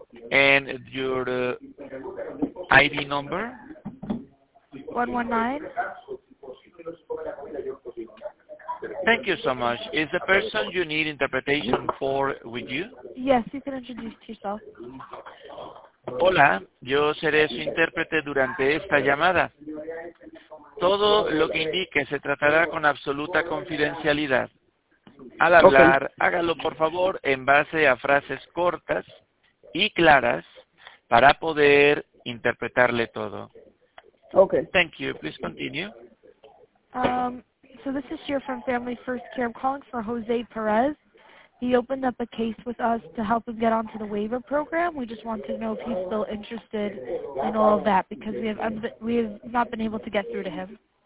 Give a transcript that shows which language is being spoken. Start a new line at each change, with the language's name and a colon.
English: And your ID number? 119. Thank you so much. Is the person you need interpretation for with you? Yes, you can introduce yourself.
Spanish: Hola, yo seré su intérprete durante esta llamada. Todo lo que indique se tratará con absoluta confidencialidad. Al hablar,
English: okay,
Spanish: Hágalo por favor en base a frases cortas y claras para poder interpretarle todo.
English: Okay. Thank you. Please continue. So this is Shira from Family First Care. I'm calling for Jose Perez. He opened up a case with us to help him get onto the waiver program. We just want to know if he's still interested in all of that because we have not been able to get through to him.